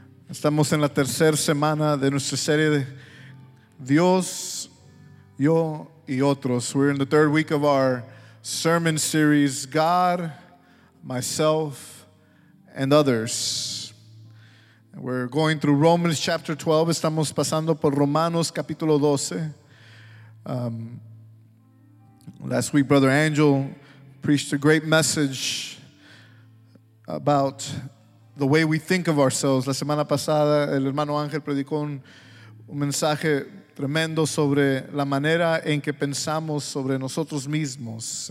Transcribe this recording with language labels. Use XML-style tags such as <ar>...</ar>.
<es>Estamos en la tercera semana de nuestra serie de Dios, yo y otros.</es> <en>We're in the third week of our sermon series, God, Myself, and Others. We're going through Romans chapter 12.</en> <es>Estamos pasando por Romanos capítulo 12.</es> <en>Last week, Brother Angel preached a great message about the way we think of ourselves.</en> <es>La semana pasada, el hermano Ángel predicó un mensaje tremendo sobre la manera en que pensamos sobre nosotros mismos.</es>